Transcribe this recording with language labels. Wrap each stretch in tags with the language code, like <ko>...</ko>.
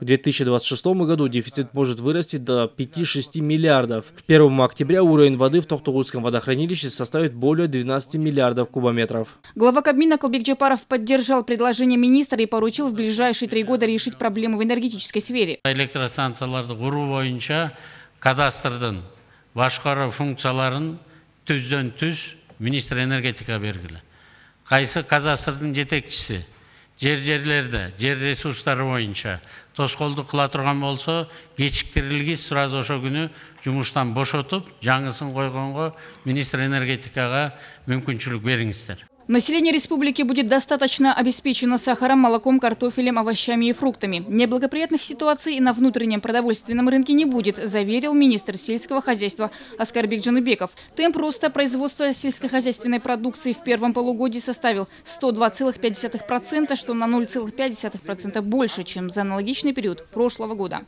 <ru>В 2026 году дефицит может вырасти до 5-6 миллиардов. К 1 октября уровень воды в Токтогульском водохранилище составит более 12 миллиардов кубометров. Глава Кабмина Кылбек Жапаров поддержал предложение министра и поручил в ближайшие 3 года решить проблемы в энергетической сфере.</ru> <ky>Электростанцияларды куруу боюнча кадастрдын башкару функцияларын түздөн түз</ky> <ru>министр энергетика</ru> <ky>бергиле. Кайсы кадастрдын жетекчиси жер жерлерде жер ресурстары боюнча тоскоолдук кыла турган болсо, кечиктирилгис сразу ошо күнү жумуштан бошотуп, жаңысын койгонго министр энергетикага мүмкүнчүлүк бериңиздер.</ky> <ru>Население республики будет достаточно обеспечено сахаром, молоком, картофелем, овощами и фруктами. Неблагоприятных ситуаций на внутреннем продовольственном рынке не будет, заверил министр сельского хозяйства Аскарбек Жаныбеков. Темп роста производства сельскохозяйственной продукции в первом полугодии составил 102,5%, что на 0,5% больше, чем за аналогичный период прошлого года.</ru>